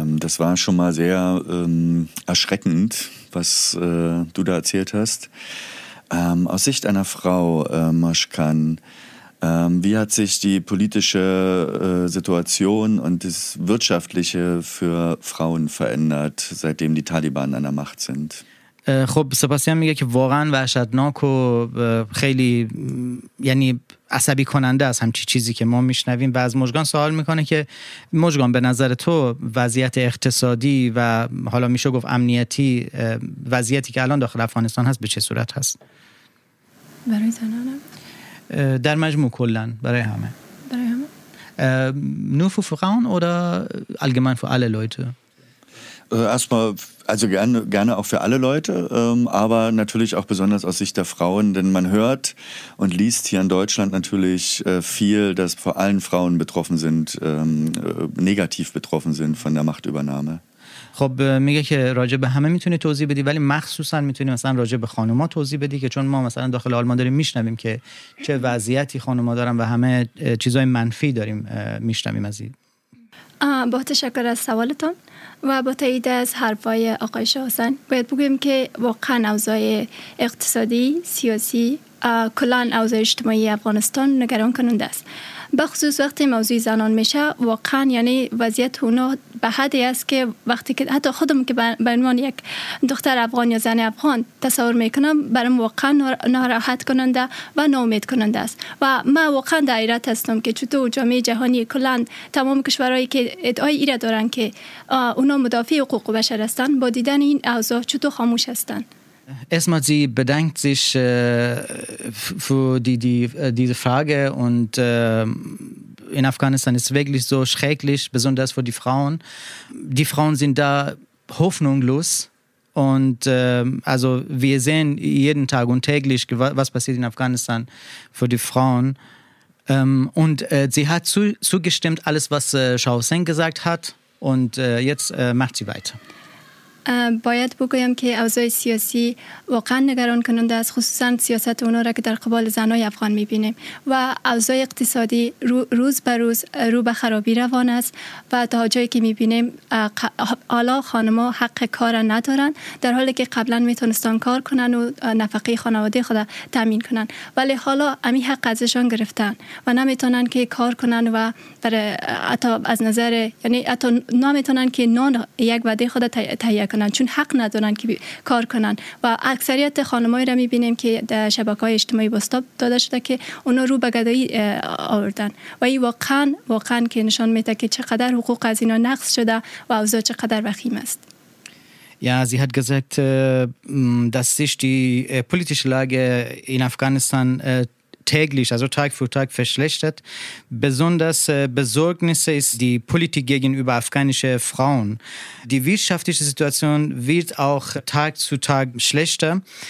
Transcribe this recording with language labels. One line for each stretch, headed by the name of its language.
German: Das war schon mal sehr erschreckend, was du da erzählt hast. Aus Sicht einer Frau, Maschkan, wie hat sich die politische Situation und das Wirtschaftliche für Frauen verändert, seitdem die Taliban an der Macht sind?
Persian: خب سپاسیان میگه که واقعا وحشتناک و خیلی یعنی عصبی کننده است همچی چیزی که ما میشنویم و از مژگان سوال میکنه که مژگان به نظر تو وضعیت اقتصادی و حالا میشه گفت امنیتی وضعیتی که الان داخل افغانستان هست به چه صورت هست؟ برای زنانه؟ در مجموع کلن برای همه نو فو فقان او دا الگمان فو اله لویتو؟
German: Erstmal, also gerne auch für alle Leute, aber natürlich auch besonders aus Sicht der Frauen, denn man hört und liest hier in Deutschland natürlich viel, dass vor allem Frauen betroffen sind, negativ betroffen sind von der Machtübernahme.
Persian: خب میگه که راجع به همه میتونی توضیح بدی ولی مخصوصا میتونی مثلا راجع به خانوما توضیح بدی که چون ما مثلا داخل آلمان داریم میشنویم که چه وضعیتی خانوما دارن و همه چیزای منفی داریم میشنویم از این. با تشکر از سوالتون و با تایید از حرفای آقای شاهسن باید بگویم که واقعا اوضاع اقتصادی، سیاسی، کلان اوضاع اجتماعی افغانستان نگران کننده است. بخصوص وقتی موضوع زنان میشه واقعا یعنی وضعیت اونا به حدی است که وقتی که حتی خودم که به عنوان یک دختر افغان یا زن افغان تصور میکنم برام واقعا ناراحت کننده و ناامید کننده است و من واقعا در حیرت هستم که چطور جامعه جهانی کلا تمام کشورهایی که ادعای این را دارن که اونا مدافع حقوق بشر هستن با دیدن این اوضاع چطور خاموش هستن.
German: Erstmal, sie bedankt sich für diese Frage und in Afghanistan ist es wirklich so schrecklich, besonders für die Frauen. Die Frauen sind da hoffnungslos und also wir sehen jeden Tag und täglich, was passiert in Afghanistan für die Frauen. Und sie hat zugestimmt alles, was Shausen gesagt hat und jetzt macht sie weiter.
Persian: باید بگویم که اوضاع سیاسی واقعا نگران کننده است خصوصا سیاست اونا را که در قبال زنای افغان میبینیم و اوضاع اقتصادی روز به روز رو به خرابی روان است و تا جایی که میبینیم حالا خانم‌ها حق کار ندارن در حالی که قبلا میتونستان کار کنن و نفقه خانواده خود را تامین کنن ولی حالا امی حق ازشان گرفتن و نمیتونن که کار کنن و حتی از نظر یعنی حتی نمیتونن که نان یک وعده خود کنن چون حق ندارن که کار کنن و اکثریت خانمایی را میبینیم که در شبکه‌های اجتماعی واستاپ داده شده که اونا رو به گدایی آوردن و این واقعا که نشان میده که چقدر حقوق از اینا نقض شده و اوضاع چقدر وخیم است.
German: Ja, sie hat gesagt, dass sich die politische Lage in Afghanistan täglich, also Tag für Tag verschlechtert. Besonders besorgnis ist die Politik gegenüber afghanischen Frauen. Die wirtschaftliche Situation wird auch Tag zu Tag schlechter.